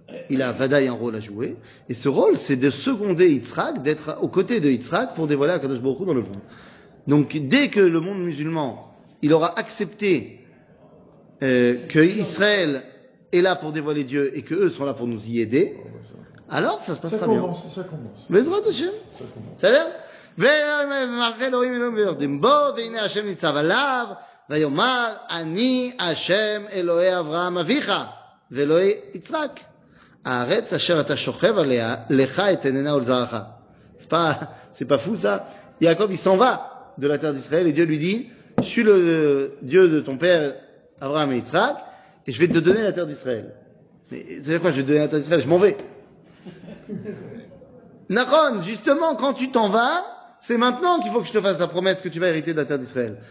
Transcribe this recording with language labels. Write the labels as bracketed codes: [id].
[fr] Il a Vadaï un rôle à jouer. Et ce rôle, c'est de seconder Yitzhak, d'être aux côtés de Yitzhak pour dévoiler Akadosh Baruch Hu dans le monde. Donc dès que le monde musulman, il aura accepté que Israël est là pour dévoiler Dieu et que eux sont là pour nous y aider, alors ça se passera bien. Ça commence. Ça a l'air. [he] ומלאך אלוהים אלוהים ויורדים בו והנה השם ניצב עליו ויאמר אני השם אלוהי אברהם אביך ואלוהי יצחק הארץ אשר אתה שוכב עליה לך אתננה ולזרעך [fr] c'est pas fou ça. Jacob il s'en va de la terre d'Israël et Dieu lui dit je suis le Dieu de ton père Abraham et Yitzhak et je vais te donner la terre d'Israël. Mais c'est quoi, je vais te donner la terre d'Israël, je m'en vais. Nachon, justement, quand tu t'en vas, c'est maintenant qu'il faut que je te fasse la promesse que tu vas hériter de la terre d'Israël.